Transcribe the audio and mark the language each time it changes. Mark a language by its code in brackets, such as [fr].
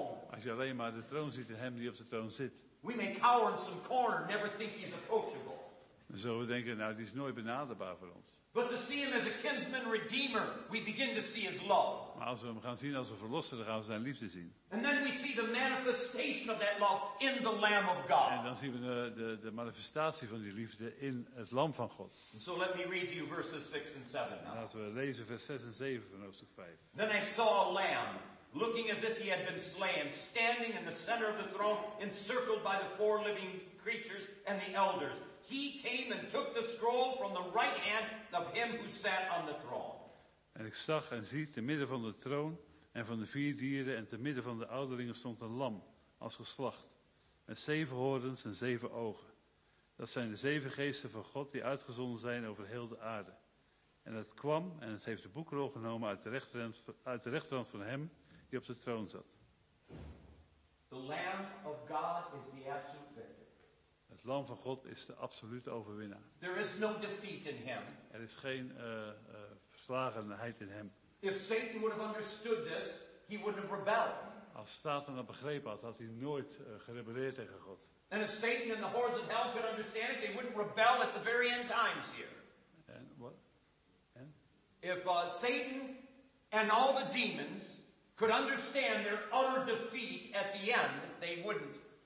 [nl] Als je alleen maar de troon ziet en hem die op de troon zit. [en] We may cower in some corner, never think he's approachable. [nl] Dan zullen we denken, nou, die is nooit benaderbaar voor ons. [en] But to see him as a kinsman redeemer, we begin to see his love. [nl] Maar als we hem gaan zien als een verlosser, dan gaan we zijn liefde zien. [en] And then we see the manifestation of that love in the Lamb of God. [nl] En dan zien we de manifestatie van die liefde in het Lam van God. [en] And so let me read to you verses 6 and 7 now. [nl] Laten we lezen vers 6 en 7 van hoofdstuk 5. [en] Then I saw a lamb, looking as if he had been slain, standing in the center of the throne, encircled by the four living creatures and the elders. He came and took the scroll from the right hand of him who sat on the throne. [nl] En ik zag en zie te midden van de troon en van de vier dieren en te midden van de ouderlingen stond een lam als geslacht met zeven horens en zeven ogen. Dat zijn de zeven geesten van God die uitgezonden zijn over heel de aarde. En het kwam en het heeft de boekrol genomen uit de rechterhand van hem die op de troon zat. [en] The Lamb of God is the absolute victor. [nl] Het Lam van God is de absolute overwinnaar. [en] There is no defeat in him. [nl] Er is geen verslagenheid in hem. [en] If Satan would have understood this, he would have rebelled. [nl] Als Satan dat begrepen had, had hij nooit gerebelleerd tegen God. [en] And if Satan and the horrors of hell could understand it, they wouldn't rebel at the very end times here. And what? And? If Satan and all the demons could understand their utter defeat at the end, they wouldn't.